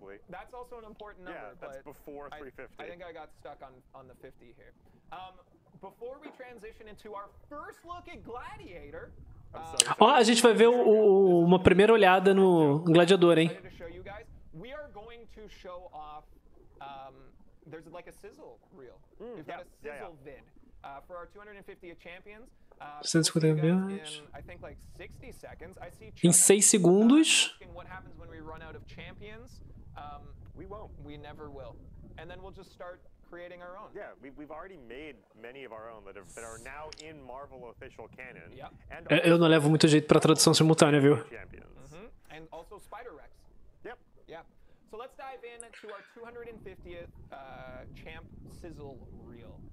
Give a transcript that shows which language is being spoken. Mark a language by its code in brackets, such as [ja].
[en] That's also an important number, yeah, that's but before 350. I think I got stuck on the 50 here. Before we transition into our first look at Gladiator. [pt] A gente vai ver uma primeira olhada no Gladiador, hein? [en] We are going to show off there's like a sizzle reel. We've got a sizzle vid for our 250 champions. I think like 60 seconds. I see [pt] em 6 segundos. [en] What happens when we run out of champions? We won't. We never will. And then we'll just start creating our own. Yeah, we've already made many of our own that are now in Marvel official canon. Yep. [pt] Eu não levo muito jeito pra tradução simultânea, viu? [en] And also Spider-Rex. Yep. Yeah. So let's dive in to our 250th champ sizzle reel.